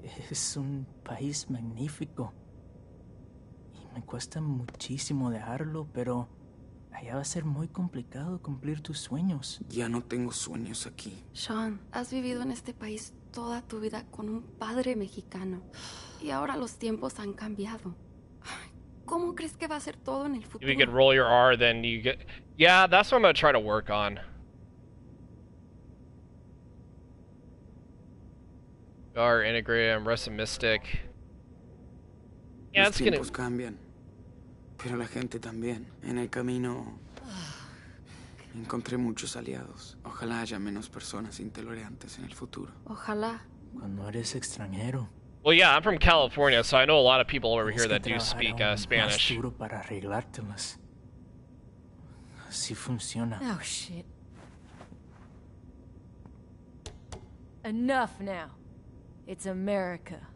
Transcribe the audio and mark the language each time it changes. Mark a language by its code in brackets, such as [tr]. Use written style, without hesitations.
[es] Es un país magnífico. Y me cuesta muchísimo dejarlo, pero Allá va a ser muy complicado cumplir tus sueños. Ya no tengo sueños aquí. Sean, has vivido en este país toda tu vida con un padre mexicano. Y ahora los tiempos han cambiado. ¿Cómo crees que va a ser todo en el futuro? [en] If you can roll your R, then you get... Yeah, that's what I'm going to try to work on. R, integrate, I'm pessimistic. Yeah, it's going to... [es] Los tiempos cambian. Pero la gente también. En el camino encontré muchos aliados. Ojalá haya menos personas intolerantes en el futuro. Ojalá. Cuando eres extranjero. [en] Well, yeah, I'm from California, so I know a lot of people over here that do speak Spanish. [es] Más duro para arreglártelas. Así funciona. [en] Oh, shit. Enough now. It's America.